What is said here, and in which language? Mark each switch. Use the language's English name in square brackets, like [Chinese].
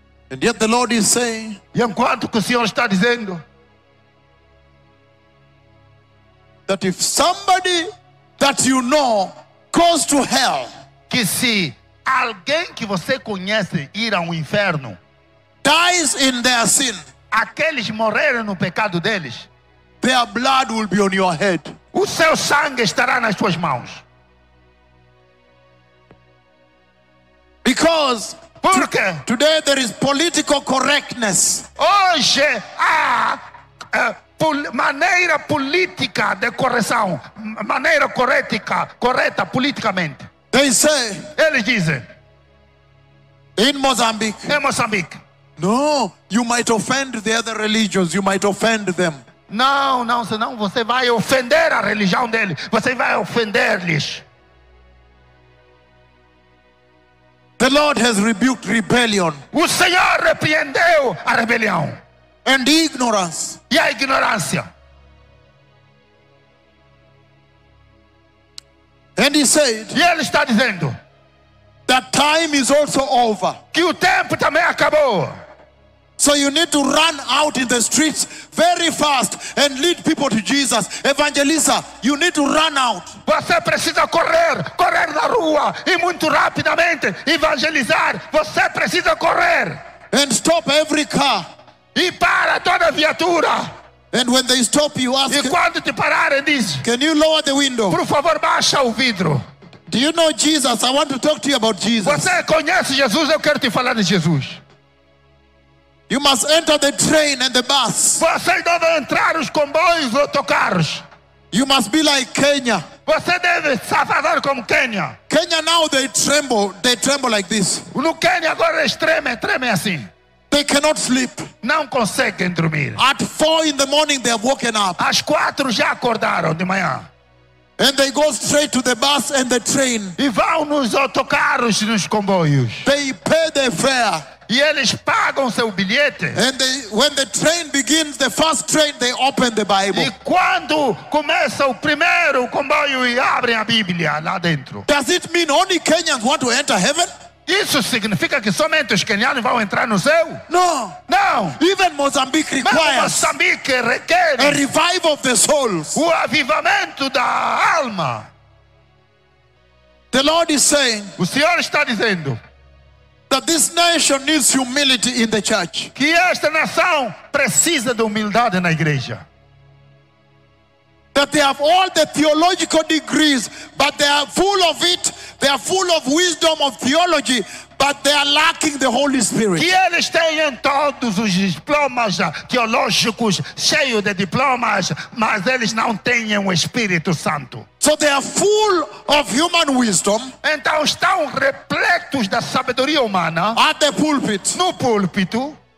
[English] And yet the Lord is saying. [Portuguese] E enquanto que o Senhor está dizendo. [English] That if somebody that you know goes to hell. [Portuguese] Que se alguém que você conhece ir ao inferno. [English] Dies in their sin. [Portuguese] Aqueles morrerem no pecado deles. [English] Their blood will be on your head. [Portuguese] O seu sangue estará nas suas mãos. [English] Because. [Portuguese] Porque [English] today there is political correctness. [Portuguese] Hoje há maneira política de correção, maneira correta politicamente. [English] They say, [Portuguese] eles dizem, [English] in Mozambique. [Portuguese] Em Moçambique. [English] No, you might offend the other religions, you might offend them. [Portuguese] Não, não, senão você vai ofender a religião deles, você vai ofender-lhes. [English] The Lord has rebuked rebellion. [Portuguese] O Senhor repreendeu a rebelião. [English] And ignorance. [Portuguese] E a ignorância. [English] And he said. [Portuguese] E ele está dizendo. [English] That time is also over. [Portuguese] Que o tempo também acabou. [English] So you need to run out in the streets very fast and lead people to Jesus. Evangelista, you need to run out. [Portuguese] Você precisa correr, correr na rua e muito rapidamente evangelizar. Você precisa correr. [English] And stop every car. [Portuguese] E para toda viatura. [English] And when they stop you, ask. [Portuguese] E quando te pararem, diz. [English] Can you lower the window? [Portuguese] Por favor, baixa o vidro. [English] Do you know Jesus? I want to talk to you about Jesus. [Portuguese] Você conhece Jesus? Eu quero te falar de Jesus. [English] You must enter the train and the bus. [Portuguese] Você deve entrar os comboios ou autocarros. [English] You must be like Kenya. [Portuguese] Você deve fazer como Kenya. [English] Kenya now they tremble like this. [Portuguese] No Kenya agora eles tremem assim. [English] They cannot sleep. [Portuguese] Não conseguem dormir. [English] At 4 in the morning they have woken up. [Portuguese] Às 4 já acordaram de manhã. [English] And they go straight to the bus and the train. [Portuguese] E vão nos autocarros e nos comboios. [English] They pay the fare. [Portuguese] E eles pagam seu bilhete. [English] And they, when the train begins, the first train, they open the Bible. [Portuguese] E quando começa o primeiro comboio e abrem a Bíblia lá dentro. [English] Does it mean only Kenyans want to enter heaven? [Portuguese] Isso significa que somente os kenianos vão entrar no céu? [English] No. [Portuguese] No. [English] Even Mozambique requires. [Portuguese] Moçambique requer. [English] A revival of the souls. [Portuguese] O avivamento da alma. [English] The Lord is saying. [Portuguese] O Senhor está dizendo. [English] That this nation needs humility in the church. [Portuguese] Que esta nação precisa de humildade na igreja. [English] That they have all the theological degrees, but they are full of it. They are full of wisdom of theology, but they are lacking the Holy Spirit. [Portuguese] Que eles tenham todos os diplomas teológicos, cheio de diplomas, mas eles não tenham o Espírito Santo. [English] So they are full of human wisdom. [Portuguese] Então estão repletos da sabedoria humana. [English] At the pulpit. [Portuguese] No púlpito.